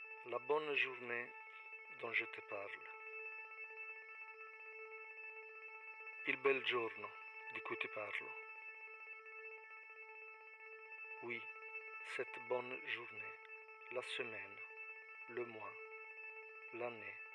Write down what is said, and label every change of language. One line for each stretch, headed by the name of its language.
French: La bonne journée dont je te parle.
Italian: Il bel giorno di cui ti parlo.
French: Oui, cette bonne journée. La semaine, le mois, l'année.